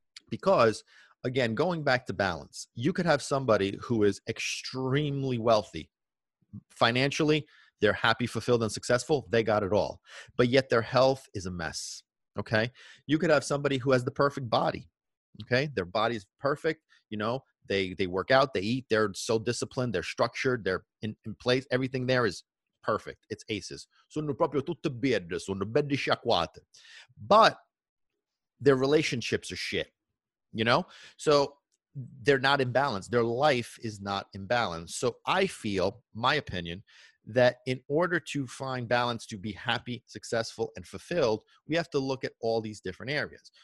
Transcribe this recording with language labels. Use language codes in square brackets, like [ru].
[en] Because again, going back to balance, you could have somebody who is extremely wealthy financially, they're happy, fulfilled, and successful, they got it all, but yet their health is a mess. Okay. You could have somebody who has the perfect body. Okay. Their body's perfect. They work out, they eat, they're so disciplined, they're structured, they're in place. Everything there is perfect. It's aces. [it] Sono proprio tutte belle, sono belle sciacquate. [en] But their relationships are shit, you know? So they're not in balance. Their life is not in balance. So I feel, my opinion, that in order to find balance, to be happy, successful, and fulfilled, we have to look at all these different areas.